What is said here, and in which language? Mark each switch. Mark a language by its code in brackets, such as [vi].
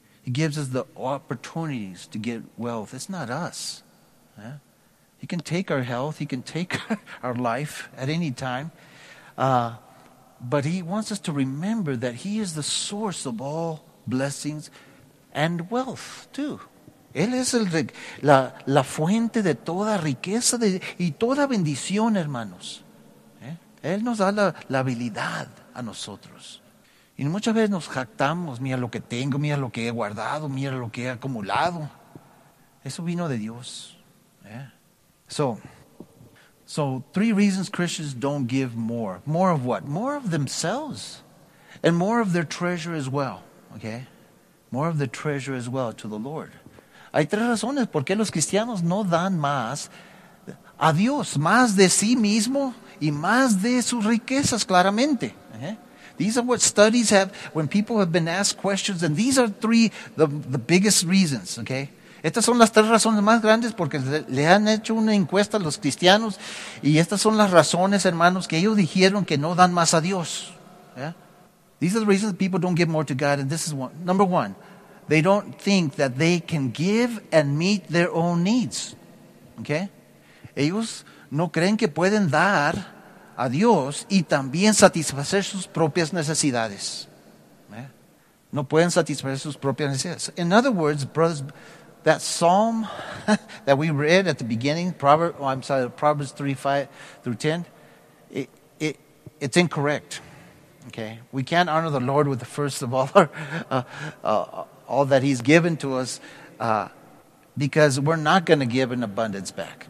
[en] He gives us the opportunities to get wealth. It's not us. Yeah? He can take our health. He can take our life at any time. But he wants us to remember that he is the source of all blessings and wealth too. [es] Él es la fuente de toda riqueza y toda bendición, hermanos. ¿Eh? Él nos da la habilidad a nosotros. Y muchas veces nos jactamos, mira lo que tengo, mira lo que he guardado, mira lo que he acumulado. Eso vino de Dios. ¿Eh? [en] So three reasons Christians don't give more. More of what? More of themselves. And more of their treasure as well. Okay? More of their treasure as well to the Lord. [es] Hay tres razones por qué los cristianos no dan más a Dios, más de sí mismo y más de sus riquezas, claramente. Uh-huh. [en] These are what studies have, when people have been asked questions, and these are three, the biggest reasons, okay? [es] Estas son las tres razones más grandes porque le han hecho una encuesta a los cristianos y estas son las razones, hermanos, que ellos dijeron que no dan más a Dios. Yeah? [en] These are the reasons people don't give more to God, and this is one. Number one. They don't think that they can give and meet their own needs. Okay? [es] Ellos no creen que pueden dar a Dios y también satisfacer sus propias necesidades. Yeah. No pueden satisfacer sus propias necesidades. [en] In other words, brothers, that psalm that we read at the beginning, Proverbs 3:5-10, it's incorrect. Okay? We can't honor the Lord with the first of all our all that he's given to us, because we're not going to give an abundance back.